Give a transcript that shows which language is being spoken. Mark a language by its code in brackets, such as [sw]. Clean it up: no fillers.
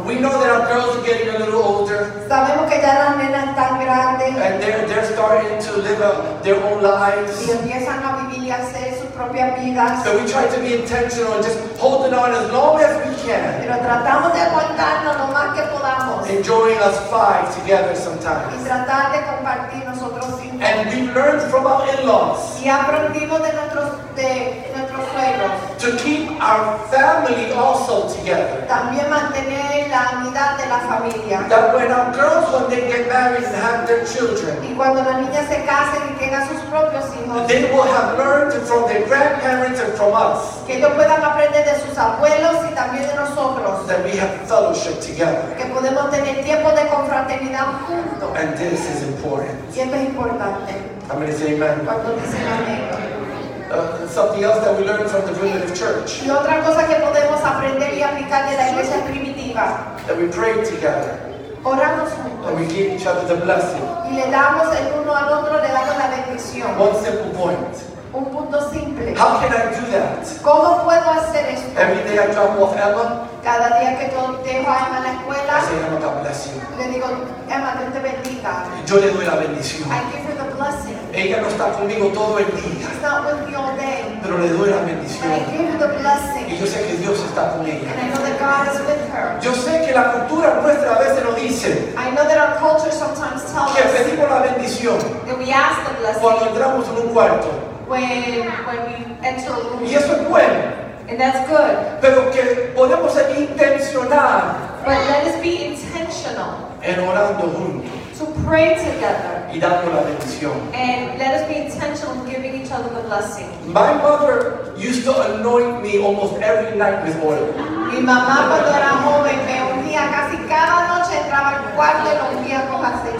[en] We know that our girls are getting a little older. [es] Sabemos que ya las nenas están grandes. [en] And they're starting to live their own lives. [es] Y empiezan a vivir y hacer sus propias vidas. [en] So we try to be intentional and just holding on as long as we can. [es] Pero tratamos de aguantarnos lo más que podamos. [en] Enjoying us five together sometimes. [es] Y tratar de compartir nosotros cinco. [en] And we learned from our in-laws. [es] Y aprendimos de nuestros suegros. [en] To keep our family also together. [es] También mantener la unidad de la familia. [en] That when our girls when they get married and have their children. [es] Y cuando las niñas se casen y tengan sus propios hijos. [en] They will have learned from their grandparents and from us. [es] Que ellos puedan aprender de sus abuelos y también de nosotros. [en] That we have fellowship together. [es] Que podemos tener tiempo de confraternidad juntos. [en] And this is important. [es] Y esto es importante. [en] I'm going to say amen. [es] Cuando dicen amén. [en] Something else that we learned from the primitive church. [es] Y otra cosa que podemos aprender y aplicar de la iglesia primitiva. [en] That we pray together. [es] Oramos juntos. [en] And we give each other the blessing. [es] Y le damos el uno al otro, le damos la bendición. [en] One simple point. [es] Un punto simple. [en] How can I do that? [es] ¿Cómo puedo hacer esto? [en] Every day I drop off Emma. [es] Cada día que yo dejo a Emma en la escuela. [en] I say, Emma, God bless you. [es] Le digo, Emma, Dios te bendiga. Yo le doy la bendición. [en] I give her the blessing. [es] Ella no está conmigo todo el día. [en] She's not with me all day. [es] Pero le doy la bendición. [en] I give her the blessing. [es] Y yo sé que Dios está con ella. [en] And I know that God is with her. [es] Yo sé que la cultura nuestra a veces nos dice. [en] I know that our culture sometimes tells us. [es] Que pedimos la bendición. [en] That we ask the blessing. [es] Cuando entramos en un cuarto. [en] When we enter a room. [es] Y eso es bueno. [en] And that's good. [es] Pero que podemos ser intencional. [en] But let us be intentional. [es] En orando juntos. [en] To pray together. [es] Y dando la bendición. [en] And let us be intentional in giving each other the blessing. My mother used to anoint me almost every night with oil. [es] Mi mamá cuando era joven me ungía casi cada noche, entraba al cuarto y lo ungía con aceite.